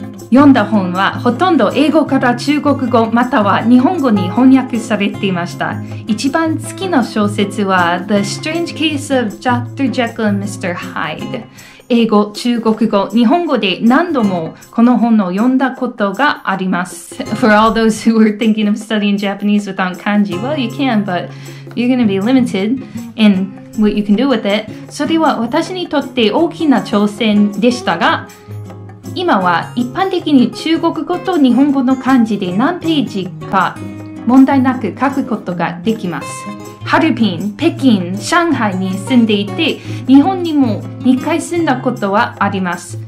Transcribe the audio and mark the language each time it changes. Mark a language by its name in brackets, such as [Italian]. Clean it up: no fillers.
[Japanese] 読んだ本はほとんど英語から中国語または日本語に翻訳されていました。一番好きな小説は The Strange Case of Dr. Jekyll and Mr. Hyde。英語、中国語、日本語で何度もこの本を読んだことがあります。 [English] For all those who were thinking of studying Japanese without kanji, well you can, but you're going to be limited in what you can do with it. [Japanese] それは私にとって大きな挑戦でしたが、今は一般的に中国語と日本語の漢字で何ページか問題なく書くことができます。ハルビン、北京、上海に住んでいて、日本にも2回住んだことはあります。